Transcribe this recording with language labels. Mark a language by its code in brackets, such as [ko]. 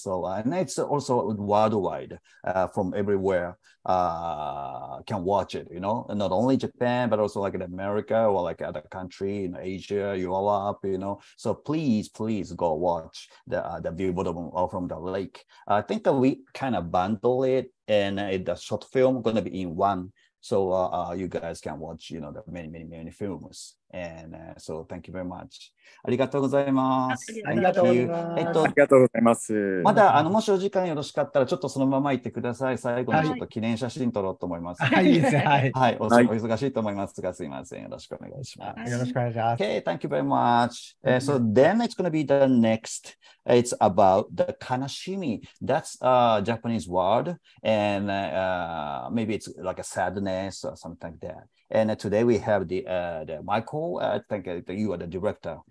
[en] So, and it's also worldwide from everywhere can watch it, you know, and not only Japan, but also like in America or like other country in Asia, Europe, you know. So please go watch the view from the lake. I think we kind of bundle it and the short film going to be in one, so you guys can watch, you know, the many films. And so thank you very much. [ja] ありがとうございます。ありがとうございます。ありがとうございます。まだもしお時間よろしかったらちょっとそのまま行ってください。最後にちょっと記念写真撮ろうと思います。はい、はい、はい、お忙しいと思いますが、すいません、よろしくお願いします。よろしくお願いします。 [en] Okay, thank you very much. So then it's going to be the next. It's about the Kanashimi. That's a Japanese word. And maybe it's like a sadness or something like that. And today we have the Michael. I think you are the director.